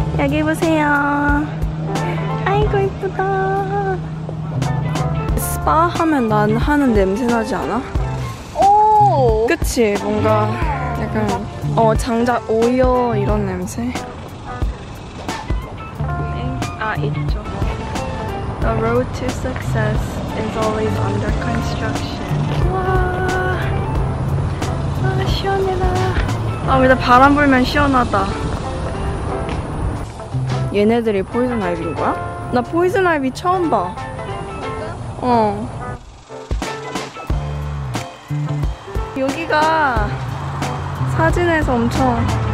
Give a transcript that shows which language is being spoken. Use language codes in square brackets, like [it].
[ko] 여기 보세요. 아이고 이쁘다. 스파 하면 난 하는 냄새 나지 않아? 오. 그치. 뭔가 약간 어 장작 오일 이런 냄새. 아 있죠. [en] The road to success is always under construction. [ko] 와, 아 시원해라. 아, 근데 바람 불면 시원하다. 얘네들이 포이즌 아이비인 거야? 나 포이즌 아이비 처음 봐. 여기가 사진에서 엄청